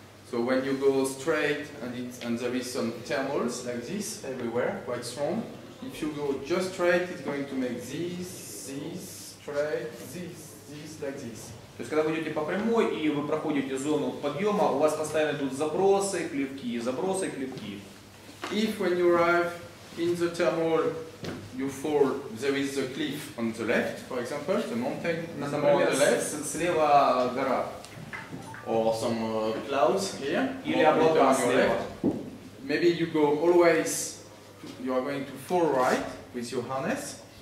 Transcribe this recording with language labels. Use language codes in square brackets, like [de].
[en] So when you go straight and there is some thermals like this everywhere, quite strong, if you go just straight, it's going to make this, like this. [ru] То есть, когда вы идете по прямой и вы проходите зону подъема, у вас постоянно идут забросы, клевки. [en] If when you arrive in the thermal, you fall, there is a cliff on the left, for example, the mountain on the left. [ru] Слева гора. [en] Or some clouds here. [ru] Или облака слева. [en] Maybe you go always, you are going to fall right with your harness.